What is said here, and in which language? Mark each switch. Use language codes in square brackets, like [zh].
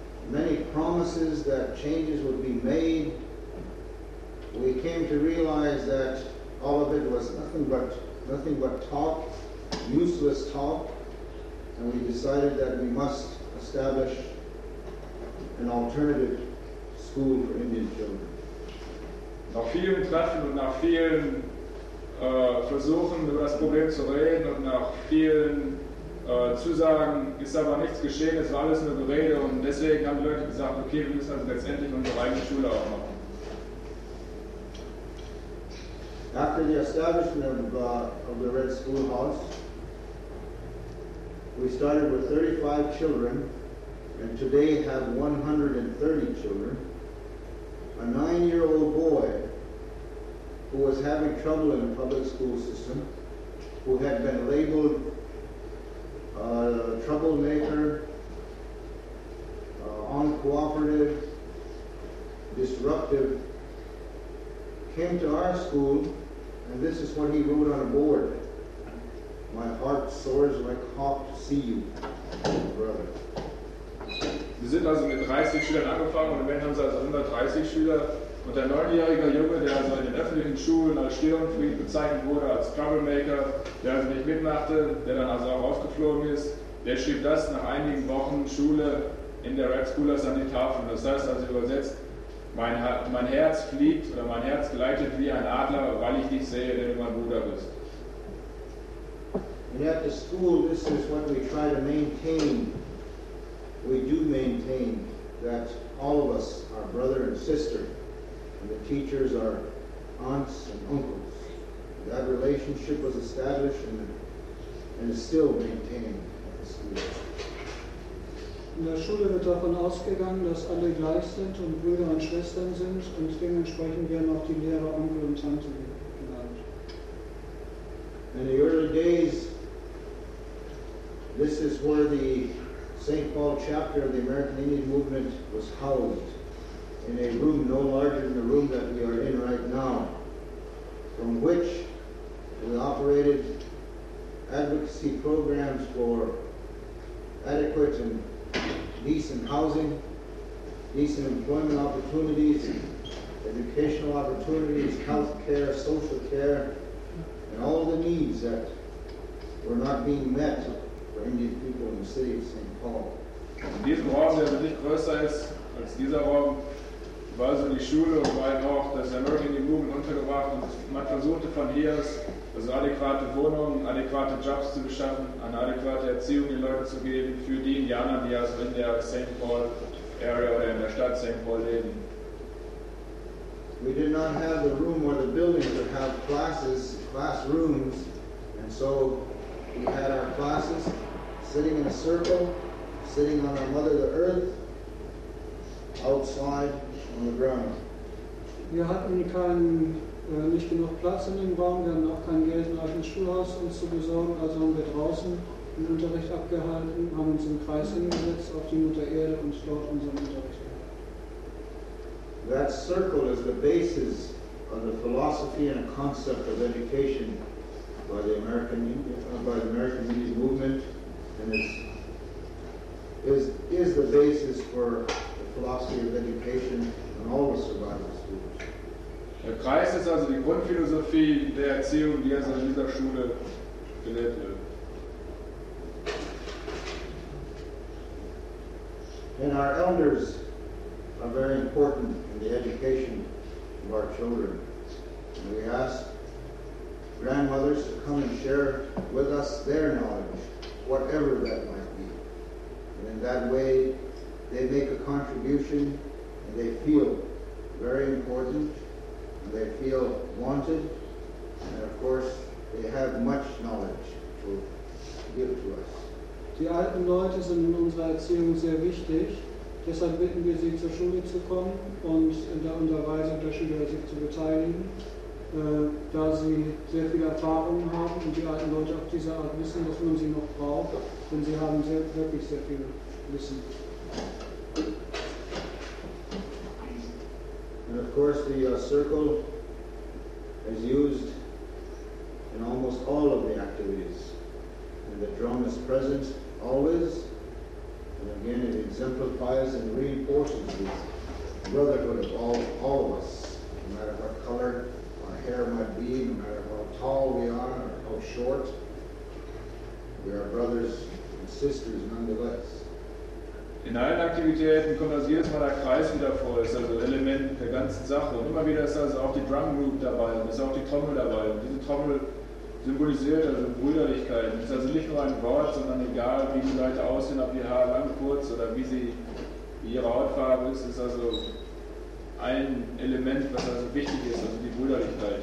[en] many promises that changes would be made, we came to realize that all of it was nothing but talk, useless talk, and we decided that we must establish an alternative school for Indian children. [de] Nach vielen Treffen und nach vielen Versuchen, über das Problem zu reden und nach vielen Zusagen ist aber nichts geschehen, es war alles nur Gerede und deswegen haben die Leute gesagt, okay, wir müssen also letztendlich unsere eigene Schule aufmachen. [en] After the establishment of the Red Schoolhouse, we started with 35 children and today have 130 children. A 9-year-old boy who was having trouble in the public school system, who had been labeled troublemaker, uncooperative, disruptive, came to our school, and this is what he wrote on a board. My heart soars like hawk to see you, brother. [de] Wir sind also mit 30 Schülern angefangen und im Endeffekt haben sie also 130 Schüler. Und der 9-jährige Junge, der also in den öffentlichen Schulen als Störenfried bezeichnet wurde, als Troublemaker, der also nicht mitmachte, der dann also auch aufgeflogen ist, der schrieb das nach einigen Wochen Schule in der Red Schoolhouse an die Tafel. Das heißt also übersetzt, mein Herz fliegt oder mein Herz gleitet wie ein Adler, weil ich dich sehe, wenn du mein Bruder bist. [en] And at the school, this is what we try to maintain. We do maintain that all of us are brother and sister, and the teachers are aunts and uncles. That relationship was established and is still maintained at the school. [de] In der Schule wird davon ausgegangen, dass alle gleich sind und Brüder und Schwestern sind, und dementsprechend werden auch die Lehrer Onkel und Tante genannt. [en] In the early days, this is where the St. Paul chapter of the American Indian Movement was housed in a room no larger than the room that we are in right now, from which we operated advocacy programs for adequate and decent housing, decent employment opportunities, educational opportunities, health care, social care, and all the needs that were not being met for Indian people in the city of St. Paul. [de] In diesem Raum, der nicht größer ist als dieser Raum, war also die Schule und war auch das American Indian Movement untergebracht und man versuchte von hier aus, also adäquate Wohnungen, adäquate Jobs zu beschaffen, eine adäquate Erziehung den Leuten zu geben für die Indianer, die also in der St. Paul Area oder in der Stadt St. Paul leben. [en] We did not have the room or the building to have classes, classrooms, and so we had our classes sitting in a circle, sitting on our Mother the Earth, outside on the ground. [de] Wir hatten nicht genug Platz in dem Raum, wir hatten auch kein Geld, ein eigenes Schulhaus uns zu besorgen, also haben wir draußen den Unterricht abgehalten, haben uns im Kreis hingesetzt auf die Mutter Erde und dort unseren Unterricht gehalten. [en] That circle is the basis of the philosophy and concept of education by the American Indian Movement, and is the basis for the philosophy of education and all the survival schools. [de] Der Kreis ist also die Grundphilosophie der Erziehung, die also in dieser Schule gelehrt wird. [en] And our elders are very important in the education of our children. And we ask grandmothers to come and share with us their knowledge, whatever that might be. And in that way, they make a contribution and they feel very important. They feel wanted, and of course, they have much knowledge to give to us. [de] Die alten Leute sind in unserer Erziehung sehr wichtig. Deshalb bitten wir sie, zur Schule zu kommen und in der Unterweisung der Schüler sich zu beteiligen, da sie sehr viel Erfahrung haben und die alten Leute auf diese Art wissen, dass man sie noch braucht, denn sie haben wirklich sehr viel Wissen. [en] And of course, the circle is used in almost all of the activities. And the drum is present always. And again, it exemplifies and reinforces this brotherhood of all of us, no matter what color our hair might be, no matter how tall we are or how short, we are brothers and sisters nonetheless. [de] In allen Aktivitäten kommt das jedes Mal der Kreis wieder vor, ist also Element der ganzen Sache. Und immer wieder ist also auch die Drum Group dabei und ist auch die Trommel dabei. Und diese Trommel symbolisiert also Brüderlichkeit. Es ist also nicht nur ein Wort, sondern egal, wie die Leute aussehen, ob ihr Haar lang, kurz oder wie ihre Hautfarbe ist, ist also ein Element, was also wichtig ist, also die Brüderlichkeit.